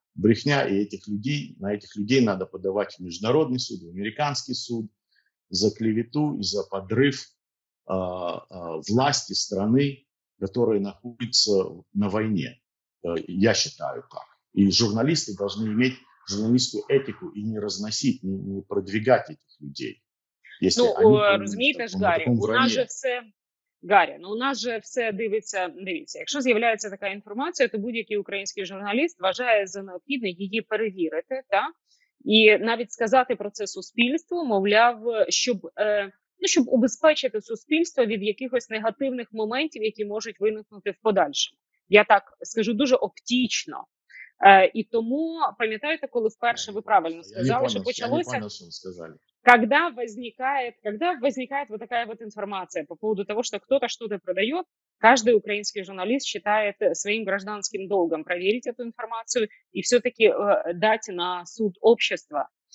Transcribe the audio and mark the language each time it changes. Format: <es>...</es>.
<ru>Брехня, и этих людей, на этих людей надо подавать в международный суд, в американский суд за клевету и за подрыв власти страны, которая находится на войне, я считаю так. И журналисты должны иметь журналистскую этику и не разносить, не продвигать этих людей. Если ну, они,</ru> <uk>розумієте ж, Гаррі, у нас же все, Гаррі, ну у нас же все дивиться, дивіться, якщо з'являється така інформація, то будь-який український журналіст вважає за необхідне її перевірити, так? І навіть сказати про це суспільству, мовляв, щоб, ну, щоб убезпечити суспільство від якихось негативних моментів, які можуть виникнути в подальшому. Я так скажу дуже оптічно. И тому, пам'ятаєте, коли вперше ви правильно сказали, що почалося,</uk> <ru>когда возникает вот такая вот информация по поводу того, что кто-то что-то продает, каждый украинский журналист считает своим гражданским долгом проверить эту информацию и все-таки дать на суд общества.</ru>